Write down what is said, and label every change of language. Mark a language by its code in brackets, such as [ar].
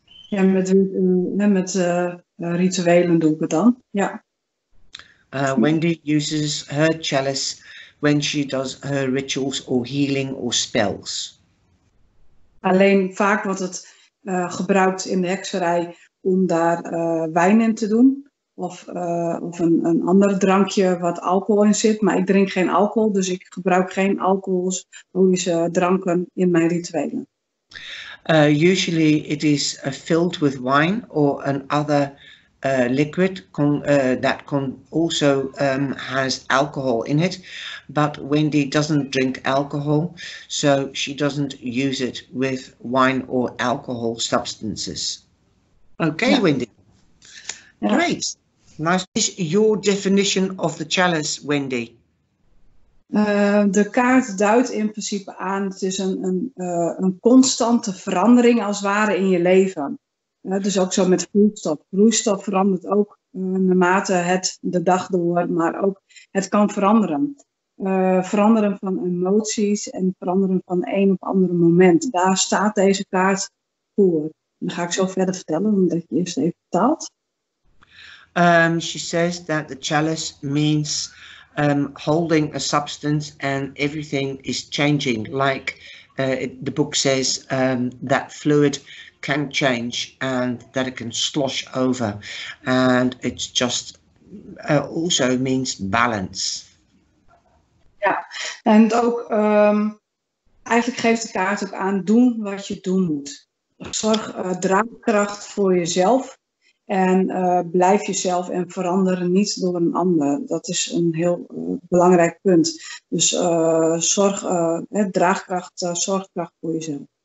[nl] Ja, met rituelen doe ik het dan. Ja. [en] Wendy uses her chalice when she does her rituals or healing or spells. [nl] Alleen vaak wordt het gebruikt in de hekserij om daar wijn in te doen. Of een ander drankje wat alcohol in zit. Maar ik drink geen alcohol, dus ik gebruik geen alcoholische dranken in mijn rituelen. [en] Usually it is filled with wine or another liquid that also has alcohol in it. But Wendy doesn't drink alcohol, so she doesn't use it with wine or alcohol substances. Okay, yeah. Wendy. Yeah. Great. Nice. What is your definition of the chalice, Wendy? [nl] De kaart duidt in principe aan, het is een constante verandering als het ware in je leven. Dus ook zo met vloeistof. Vloeistof verandert ook naarmate het de dag door, maar ook het kan veranderen. Veranderen van emoties en veranderen van een op andere moment. Daar staat deze kaart voor. Dan ga ik zo verder vertellen, omdat je eerst even vertaalt. [en] She says that the chalice means holding a substance and everything is changing. Like the book says, that fluid can change and that it can slosh over. And it's just also means balance. [nl] Ja, en ook eigenlijk geeft de kaart ook aan, doen wat je doen moet. Zorg draagkracht voor jezelf en blijf jezelf en verander niet door een ander. Dat is een heel belangrijk punt. Dus zorg draagkracht, zorgkracht voor jezelf.